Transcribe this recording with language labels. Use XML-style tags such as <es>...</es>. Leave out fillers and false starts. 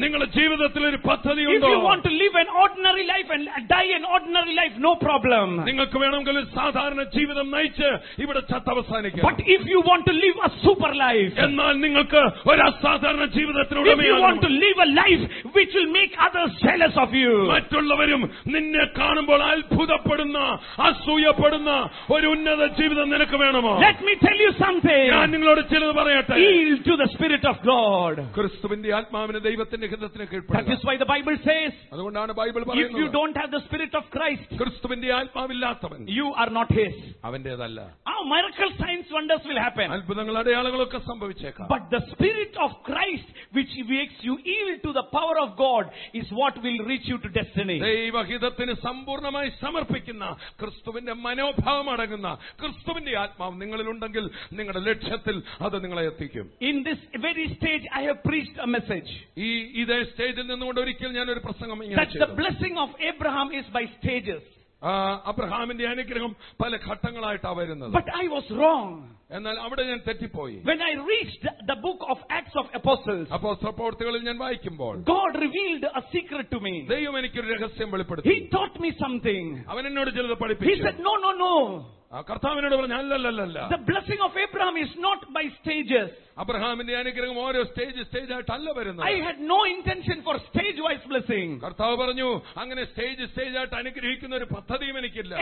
<ml>നിങ്ങളുടെ ജീവിതത്തിൽ ഒരു പദ്ധതി ഉണ്ടോ?</ml> <en>If you want to live an ordinary life and die an ordinary life, no problem.</en> <ml>നിങ്ങൾക്ക് വേണമെങ്കിൽ ഒരു സാധാരണ ജീവിതം നയിച്ച് ഇവിടെ ചത്തവസാനിക്കാം.</ml> <en>But if you want to live a super life,</en> <ml>എന്നാൽ നിങ്ങൾക്ക് ഒരു അസാധാരണ ജീവിതത്തിന് ഉടമയാകാം.</ml> <en>If you want to live a life which will make others jealous of you,</en> <ml>മറ്റുള്ളവരും നിന്നെ കാണുമ്പോൾ അത്ഭുതപ്പെടുന്ന അസൂയപ്പെടുന്ന ഒരു ഉന്നത ജീവിതം നിനക്ക് വേണമോ?</ml> <en>Let me tell you something.</en> <ml>ഞാൻ നിങ്ങളോട് ചിലത് പറയട്ടെ.</ml> <en>Yield to the Spirit of God.</en> <ml>ക്രിസ്തുവിന്റെ ആത്മാവിനെ ദൈവത്തിന്റെ ഹിതത്തിന് കീഴ്പ്പെടുക.</ml> <en>That is why the Bible says.</en> <ml>അതുകൊണ്ടാണ് ബൈബിൾ പറയുന്നത്.</ml> <en>If you don't have the Spirit of Christ,</en> <ml>ക്രിസ്തുവിന്റെ ആത്മാവില്ലാത്തവൻ,</ml> <en>you are not his.</en> <ml>അവന്റേതല്ല.</ml> <en>Oh, miracle signs wonders will happen.</en> <ml>അത്ഭുതങ്ങൾ അടയാളങ്ങളൊക്കെ സംഭവിച്ചേക്കാം.</ml> <en>But the Spirit of Christ, which makes you yield to the power of God, is what will reach you to destiny.</en> <ml>ദൈവഹിതത്തിന് സമ്പൂർണമായി സമർപ്പിക്കുന്ന ക്രിസ്തുവിന്റെ മനോഭാവം അടങ്ങുന്ന ക്രിസ്തുവിന്റെ ആത്മാവ് നിങ്ങളിൽ ഉണ്ടെങ്കിൽ നിങ്ങളുടെ ലക്ഷ്യത്തിൽ അത് നിങ്ങളെ എത്തിക്കും.</ml> <en>In this very stage, I have preached a message.</en> <ml>ഈ ഇതേ സ്റ്റേജിൽ നിന്നുകൊണ്ട് ഒരിക്കൽ ഞാൻ ഒരു പ്രസംഗം ഇങ്ങനെ ചെയ്തു.</ml> <en>That the blessing of Abraham is by stages.</en> <ml>അബ്രഹാമിന്റെ അനുഗ്രഹം പല ഘട്ടങ്ങളായിട്ടാണ് വരുന്നത്.</ml> <en>But I was wrong.</en> <ml>എന്നാൽ അവിടെ ഞാൻ തെറ്റിപ്പോയി.</ml> <en>When I reached the book of Acts of Apostles,</en> <ml>അപ്പോസ്തല പ്രവൃത്തികളിൽ ഞാൻ വായിക്കുമ്പോൾ,</ml> <en>God revealed a secret to me.</en> <ml>ദൈവം എനിക്ക് ഒരു രഹസ്യം വെളിപ്പെടുത്തി.</ml> <en>He taught me something.</en> <ml>അവൻ എന്നോട് ചിലത് പഠിപ്പിച്ചു.</ml> <en>He said, no.</en> <ml>കർത്താവിനോട് പറഞ്ഞു അല്ലല്ലല്ല.</ml> <en>The blessing of Abraham is not by stages.</en> <ml>അബ്രഹാമിന്റെ അനുഗ്രഹം ഓരോ സ്റ്റേജ് ആയിട്ടല്ല വരുന്നത്.</ml> <en>I had no intention for stage wise blessing.</en> <ml>കർത്താവ് പറഞ്ഞു അങ്ങനെ സ്റ്റേജ് ആയിട്ട് അനുഗ്രഹിക്കുന്ന ഒരു പദ്ധതിയും എനിക്കില്ല.</ml>